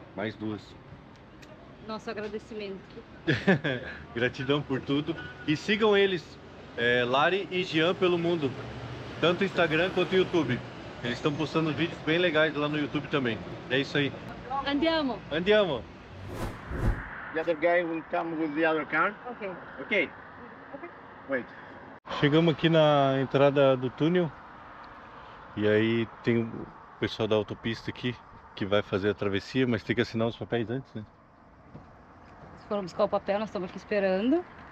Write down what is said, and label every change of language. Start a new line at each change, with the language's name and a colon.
Portuguese: Mais duas. Nosso agradecimento. Gratidão por tudo. E sigam eles, Lari e Jean pelo mundo, tanto Instagram quanto YouTube. Eles estão postando vídeos bem legais lá no YouTube também. É isso aí.
Italian: Andiamo. Andiamo.
English: The other guy will come with the other car. Okay. Okay. Okay. Wait.
Portuguese: Chegamos aqui na entrada do túnel. E aí tem o pessoal da autopista aqui que vai fazer a travessia, mas tem que assinar os papéis antes, né? Foram buscar o papel, nós estamos aqui esperando.